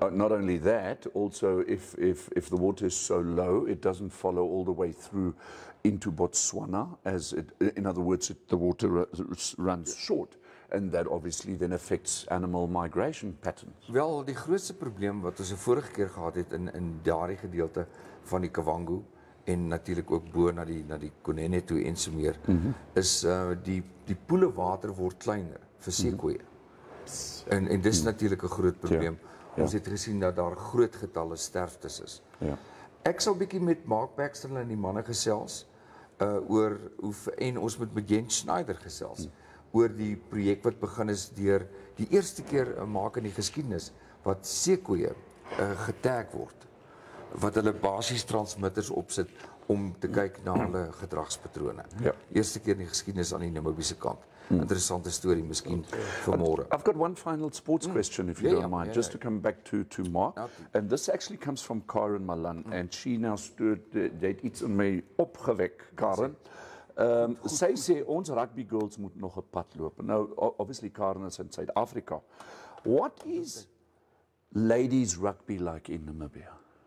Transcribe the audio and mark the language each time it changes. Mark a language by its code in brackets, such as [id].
[en] Not only that, also if the water is so low, it doesn't follow all the way through into Botswana, as it, in other words, the water runs short. And that obviously then affects animal migration patterns. [af] Wel, die grootste probleem wat ons die vorige keer gehad het in daardie gedeelte van die Kavango en natuurlik ook bo na die Kunene toe en so meer, is die poele water word kleiner vir seekoeie. En dis natuurlik 'n groot probleem. Ja. Ons het gesien dat daar groot getalle sterftes is. Ja. Ek sal bietjie met Mark Baxter en die manne gesels oor hoe, en ons moet met Jens Schneider gesels. Oor die projek wat begin is deur die eerste keer maak in die geskiedenis wat seekoeie getag word, wat hulle basies transmitters opsit om te kyk na hulle gedragspatrone. Ja. Eerste keer in die geskiedenis aan die Namibiese kant. Interessante storie miskien vanmôre. [en] I've got one final sports question if you don't mind, just to come back to Mark. And this actually comes from Karen Malan and she now stood [af] iets in my opgewek, [en] Karen. [af] Sê ons rugby girls moet nog 'n pad loop. [en] Nou, obviously, Karen is in Suid-Afrika. What is ladies rugby like in Namibia?